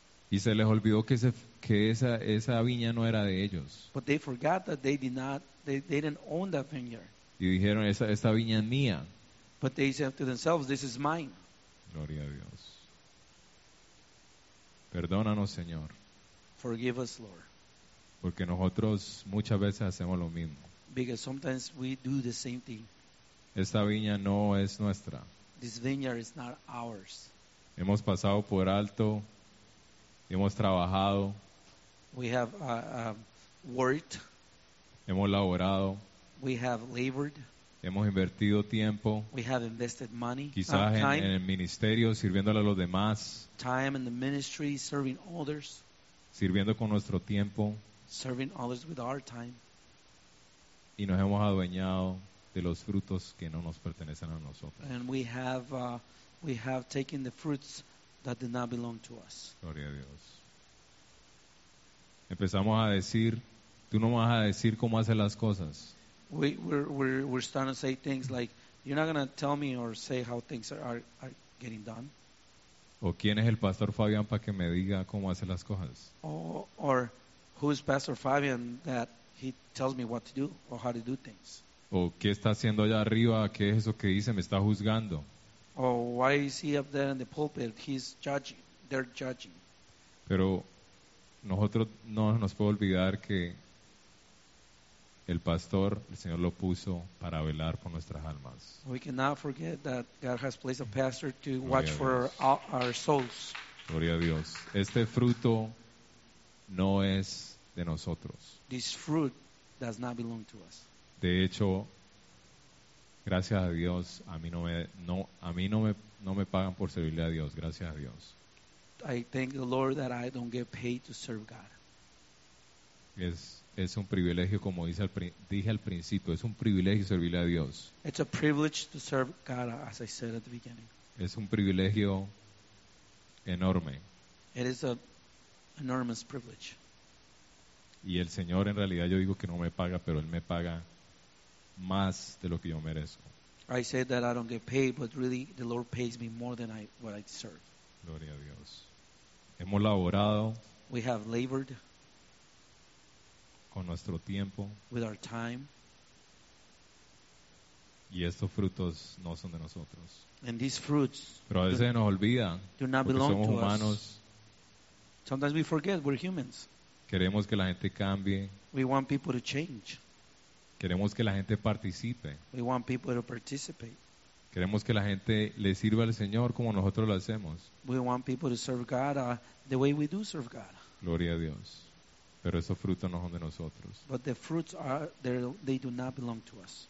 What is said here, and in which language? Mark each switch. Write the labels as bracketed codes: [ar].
[es] Y se les olvidó que esa viña no era de ellos. [en] But they forgot that they didn't own that vineyard. [es] Y dijeron, esta viña es mía. [en] But they said to themselves, this is mine. [es] Gloria a Dios. Perdónanos, Señor. [en] Forgive us, Lord. [es] Porque nosotros muchas veces hacemos lo mismo. [en] Because sometimes we do the same thing. [es] Esta viña no es nuestra. [en] This vineyard is not ours. [es] Hemos pasado por alto. Hemos trabajado. [en] We have worked. [es] Hemos laborado. [en] We have labored. [es] Hemos invertido tiempo, [en] we have invested money, [es] quizás time, en el ministerio, sirviéndole a los demás, [en] time in the ministry, serving others, [es] sirviendo con nuestro tiempo, [en] serving others with our time, [es] y nos hemos adueñado de los frutos que no nos pertenecen a nosotros. [en] And we have taken the fruits that did not belong to us. [es] Gloria a Dios. Empezamos a decir, tú no vas a decir cómo hacer las cosas. [en] We're starting to say things like, you're not going to tell me or say how things are getting done. [es] O quién es el pastor Fabián para que me diga cómo hacer las cosas. [en] Or who's Pastor Fabian that he tells me what to do or how to do things. [es] O qué está haciendo allá arriba, qué es eso que dice, me está juzgando. [en] Or why is he up there in the pulpit? He's judging. They're judging. [es] Pero nosotros no nos puede olvidar que el pastor, el Señor lo puso para velar por nuestras almas. [en] We cannot forget that God has placed a pastor to watch for our souls. [es] Gloria a Dios. Este fruto no es de nosotros. [en] This fruit does not belong to us. [es] De hecho, gracias a Dios, a mí no me pagan por servirle a Dios. Gracias a Dios. [en] I thank the Lord that I don't get paid to serve God. [es] Es un privilegio, como dije al principio, es un privilegio servirle a Dios. [en] It's a privilege to serve God, as I said at the beginning. [es] Es un privilegio enorme. [en] It is an enormous privilege. [es] Y el Señor, en realidad, yo digo que no me paga, pero Él me paga más de lo que yo merezco. [en] I said that I don't get paid, but really the Lord pays me more than what I deserve. [es] Gloria a Dios. Hemos laborado. [en] We have labored. [es] Con nuestro tiempo. [en] With our time. [es] Y estos frutos no son de nosotros. [en] And these fruits. [es] Pero a veces nos olvida. [en] Do not belong to us. [es] Porque somos humanos. [en] Sometimes we forget we're humans. [es] Queremos que la gente cambie. [en] We want people to change. [es] Queremos que la gente participe. [en] We want people to participate. [es] Queremos que la gente le sirva al Señor como nosotros lo hacemos. [en] We want people to serve God the way we do serve God. [es] Gloria a Dios. Pero esos frutos no son de nosotros. [en] But the fruits are, they do not belong to us.